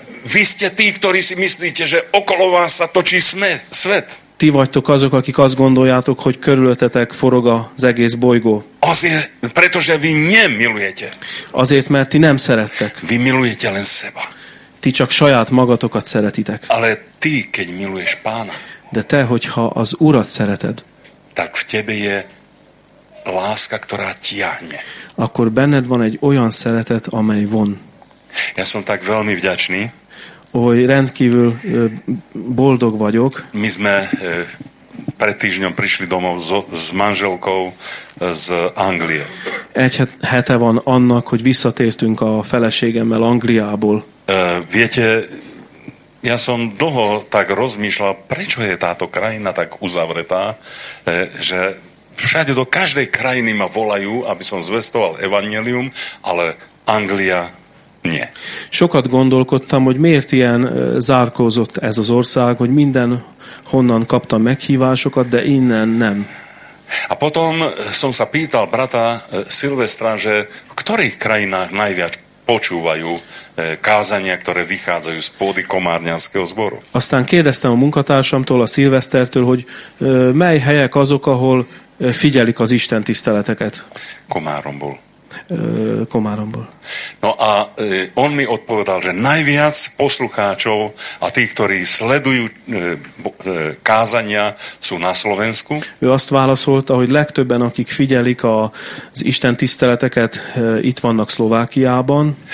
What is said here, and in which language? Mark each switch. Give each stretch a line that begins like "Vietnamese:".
Slovak: Vy ste tí, ktorí si myslíte, že okolo vás sa točí svet.
Hungarian: Ti vagytok azok, akik azt gondoljátok, hogy körülöttetek forog az egész bolygó. Azért,
Slovak: pretože vy nem milujete.
Hungarian: Azért, mert ti nem szerettek.
Slovak: Vy milujete len seba.
Hungarian: Ti csak saját magatokat szeretitek.
Slovak: Ale ty, keď miluješ pána.
Hungarian: De te, hogyha az urat szereted.
Slovak: Tak v tebe je láska, ktorá tiahne.
Hungarian: Akkor benned van egy olyan szeretet, amely von.
Slovak: Ja som tak veľmi vďačný.
Hungarian: Oly rendkívül boldog vagyok.
Slovak: My sme pred týždňom prišli domov s manželkou z Anglie.
Hungarian: Egy hete van annak, hogy visszatértünk a feleségemmel Angliából.
Slovak: Viete, ja som dlho tak rozmýšľal, prečo je táto krajina tak uzavretá, že všade do každej krajiny ma volajú, aby som zvestoval evanjelium, ale Anglia... Nie.
Hungarian: Sokat gondolkodtam, hogy miért ilyen zárkózott ez az ország, hogy minden honnan kaptam meghívásokat, de innen nem.
Slovak: A potom som sa pýtal brata Silvestra, že v ktorých krajinách najviac počúvajú kázania, ktoré vychádzajú z pódy Komárňanského zboru.
Hungarian: Aztán kérdeztem a munkatársamtól, a Silvestertől, hogy mely helyek azok, ahol figyelik az Isten tiszteleteket. Komáromból. Komáromból.
Slovak: No a on mi odpovedal, že najviac poslucháčov a tých, ktorí sledujú kázania, sú na Slovensku.
Hungarian: Ő azt válaszolta, hogy legtöbben, akik figyelik az Isten tiszteleteket, itt vannak Szlovákiában.